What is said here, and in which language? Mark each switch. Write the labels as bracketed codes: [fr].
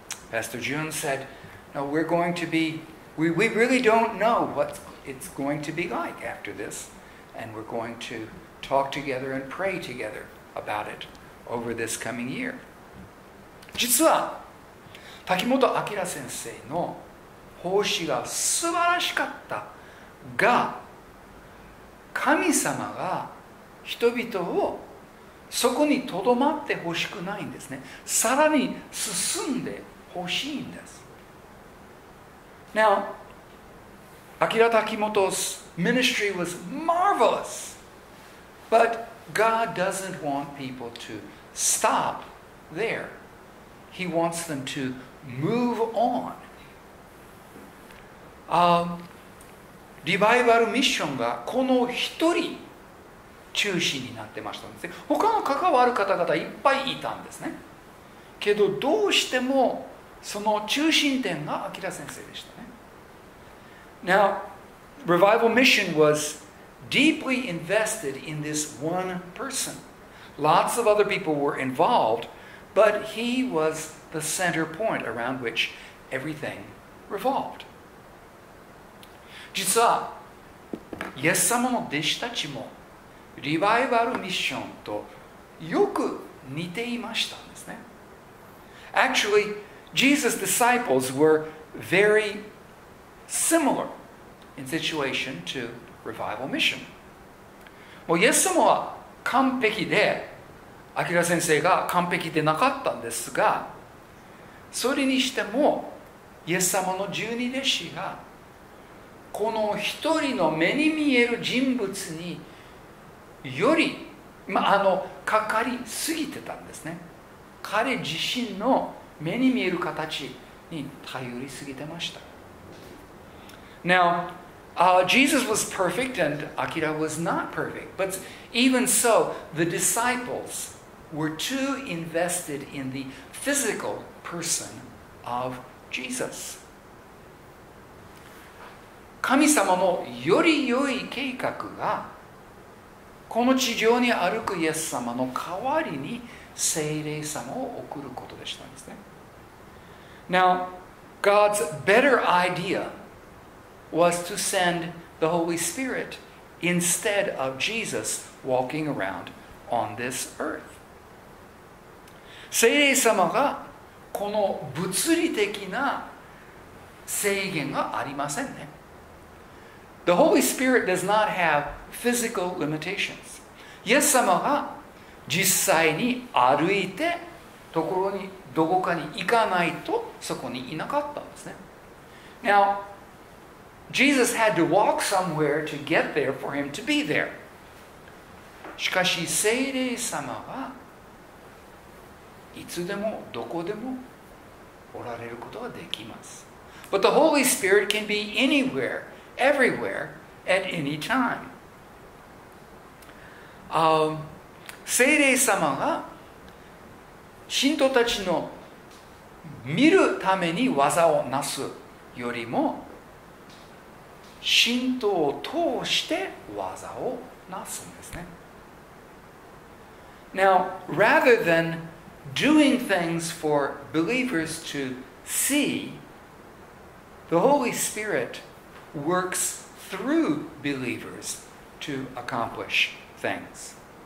[en] Pastor Jun said, no, we're going to be, we really don't know what it's going to be like after this, and we're going to talk together and pray together about it over this coming year. [ja] 実は、滝本明先生の奉仕が素晴らしかったが、神様が人々をそこにとどまってほしくないんですね。さらに進んでほしいんです。 [en] Now, Akira Takimoto's ministry was marvelous, but God doesn't want people to stop there. He wants them to move on. [ja] リバイバルミッションがこの一人中心になってましたんですね。他の関わる方々いっぱいいたんですね。けどどうしてもその中心点が明先生でしたね。 [en] Now, Revival Mission was deeply invested in this one person. Lots of other people were involved, but he was the center point around which everything revolved. [ja] 実は、イエス様の弟子たちもリバイバルミッションとよく似ていましたんですね。 [en] Actually, Jesus' disciples were very similar in situation to revival mission. [ja] もうイエス様は完璧で、アキラ先生が完璧でなかったんですが、それにしてもイエス様の十二弟子がこの一人の目に見える人物によりまあ、かかりすぎてたんですね。彼自身の目に見える形に頼りすぎてました。 [en] Now, Jesus was perfect and Akira was not perfect. But even so, the disciples were too invested in the physical person of Jesus. [ja] 神様のより良い計画がこの地上に歩くイエス様の代わりに聖霊様を送ることでしたんですね。 [en] Now, God's better idea was to send the Holy Spirit instead of Jesus walking around on this earth. [ja] 聖霊様がこの物理的な制限がありませんね。 [en] The Holy Spirit does not have physical limitations. [ja] イエス様が実際に歩いてところにどこかに行かないとそこにいなかったんですね。 [en] Now, Jesus had to walk somewhere to get there for him to be there. [ja] しかし聖霊様はいつでもどこでもおられることができます。 [en] But the Holy Spirit can be anywhere. Everywhere, at any time. [ja] 聖霊様が信徒たちの見るために技をなすよりも信徒を通して技をなすんですね。 [en] Now, rather than doing things for believers to see, the Holy Spiritworks through believers to accomplish things.